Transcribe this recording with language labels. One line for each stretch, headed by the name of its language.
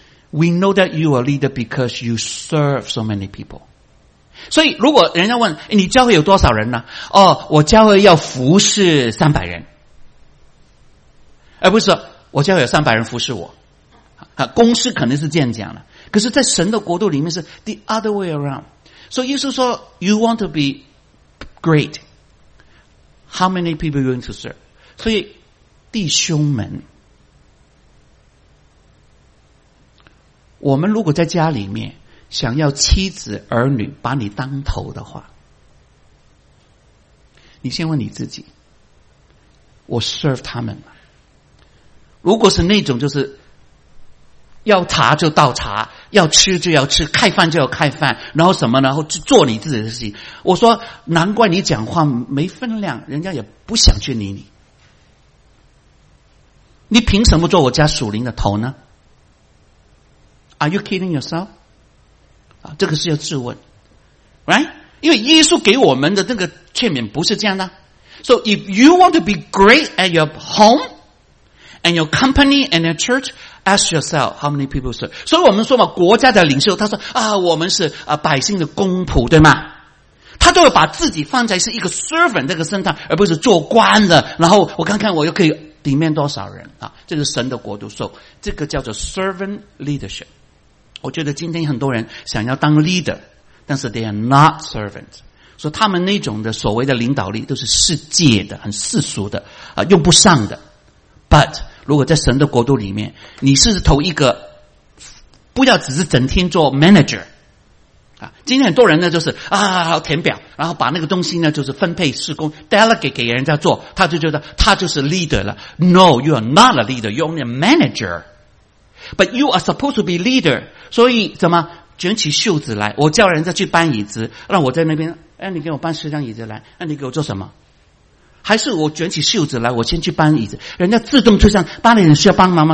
English: We know that you are leader because you serve so many people。
Chinese: 所以如果人家问你教会有多少人呢，哦，我教会要服侍300人，而不是说我教会有300人服侍我。公司可能是这样讲的，可是在神的国度里面是
English: the other way around。
Chinese: 所以耶稣说
English: You want to be great, how many people you want to serve。
Chinese: 所以弟兄们，我们如果在家里面想要妻子儿女把你当头的话，你先问你自己，我 serve 他们吗？如果是那种就是要茶就倒茶，要吃就要吃，开饭就要开饭，然后什么呢，然后去做你自己的事情。我说难怪你讲话没分量，人家也不想去理你。你凭什么做我家属灵的头呢？
English: Are you kidding yourself？
Chinese: 啊，这个是要质问 right？ 因为耶稣给我们的这个劝勉不是这样的。
English: So if you want to be great at your home and your company and your churchAsk yourself how many people serve。
Chinese: 所以我们说嘛，国家的领袖他说啊，我们是百姓的公仆，对吗？他都要把自己放在是一个 servant 这个身上，而不是做官的。然后我看看我又可以里面多少人啊？这是神的国度。So 这个叫做 servant leadership。我觉得今天很多人想要当 leader， 但是
English: they are not servant。
Chinese: 所以他们那种的所谓的领导力都是世界的，很世俗的啊，用不上的。 But如果在神的国度里面，你是投一个不要只是整天做 manager 啊。今天很多人呢就是啊填表，然后把那个东西呢就是分配事工 delegate 给人家做，他就觉得他就是 leader 了。
English: No, you are not a leader, you are a manager, but you are supposed to be leader。
Chinese: 所以怎么卷起袖子来，我叫人家去搬椅子，让我在那边，哎，你给我搬十张椅子来，那你给我做什么？还是我卷起袖子来，我先去搬椅子，人家自动推上，搬的人需要帮忙吗？